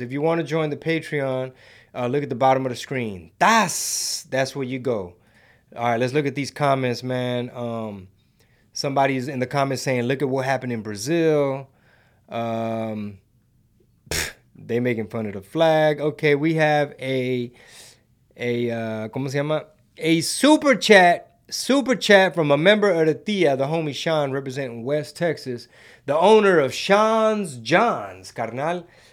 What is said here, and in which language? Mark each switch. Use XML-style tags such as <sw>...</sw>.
<en>If you want to join the Patreon, look at the bottom of the screen. That's where you go. All right, let's look at these comments, man. Somebody's in the comments saying, look at what happened in Brazil. they making fun of the flag. Okay, we have</en> <es>¿cómo se llama?</es> <en>A super chat from a member of the Tia, the homie Sean, representing West Texas, the owner of Sean's John's, carnal.</en>